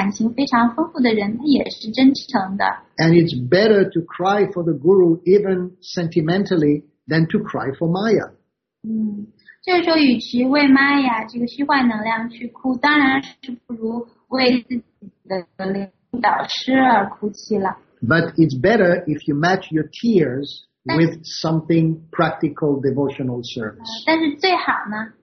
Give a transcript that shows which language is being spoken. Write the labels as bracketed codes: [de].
[zh] 那就是你看到这个奉献者，看林星导师来了也哭，走了也哭，听到林星导师的笑时光也哭，那可能就是他的这个性格就是这样的。他是一个感情非常丰富的人，他也是真诚的。 [en] And it's better to cry for the guru even sentimentally than to cry for Maya. [zh] 就是说，与其为玛雅这个虚幻能量去哭，当然是不如为自己的领导师而哭泣了。 [en] But it's better if you match your tears with something practical devotional service.